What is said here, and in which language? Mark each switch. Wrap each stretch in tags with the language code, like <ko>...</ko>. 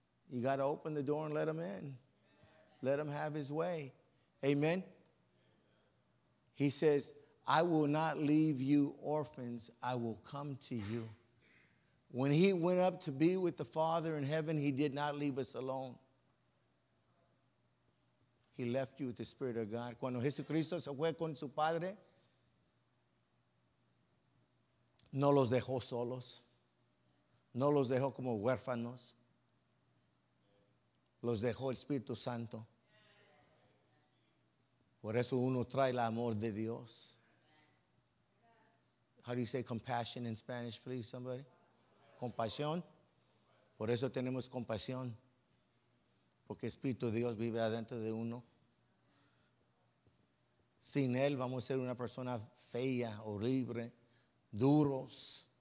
<en>You got to open the door and let him in. Let him have his way. Amen? He says, I will not leave you orphans. I will come to you. When he went up to be with the Father in heaven, he did not leave us alone. He left you with the Spirit of God.</en> <es>Cuando Jesucristo se fue con su Padre, no los dejó solos. No los dejó como huérfanos. Los dejó el Espíritu Santo. Por eso uno trae el amor de Dios.</es> <en>How do you say compassion in Spanish, please, somebody?</en> <es>Compasión. Por eso tenemos compasión. Porque el Espíritu de Dios vive adentro de uno. Sin él vamos a ser una persona fea, horrible, duros.</es>